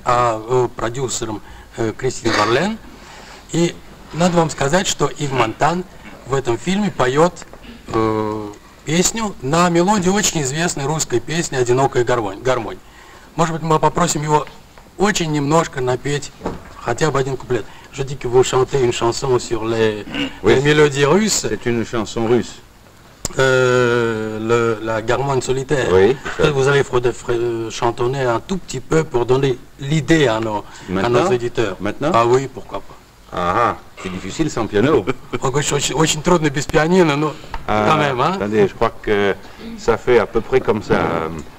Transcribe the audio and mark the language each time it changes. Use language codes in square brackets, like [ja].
[ru] а продюсером Кристин Варлен. И надо вам сказать, что Ив Монтан в этом фильме поет песню на мелодии очень известной русской песни «Одинокая гармонь». Может быть, мы попросим его очень немножко напеть хотя бы один куплет. [fr] Je dis que vous chantez une chanson sur les mélodies russes. C'est une chanson russe. La Garmonne solitaire. Oui. Ça. Vous allez chantonner un tout petit peu pour donner l'idée à nos auditeurs. Maintenant? Ah oui, pourquoi pas. Ah, c'est difficile sans piano. [ru] Очень трудно без пианино, но [fr] quand même, hein? Attendez, je crois que ça fait à peu près comme ça.